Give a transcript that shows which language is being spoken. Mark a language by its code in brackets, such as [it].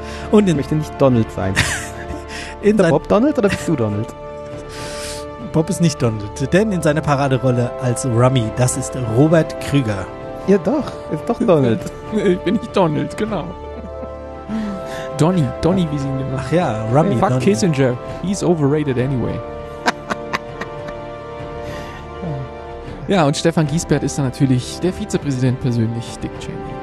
[de] Und ich möchte nicht Donald sein. Ist der Bob Donald oder bist du Donald? Bob ist nicht Donald, denn in seiner Paraderolle als Rummy, das ist Robert Krüger. Ja doch, ist doch Donald. Ich bin nicht Donald, genau. Donny, wie sie ihn genannt. Ach ja, Rummy. [en] Hey, fuck Donny. Kissinger, he's overrated anyway. [de] Ja, und Stefan Giesbert ist dann natürlich der Vizepräsident persönlich, Dick Cheney.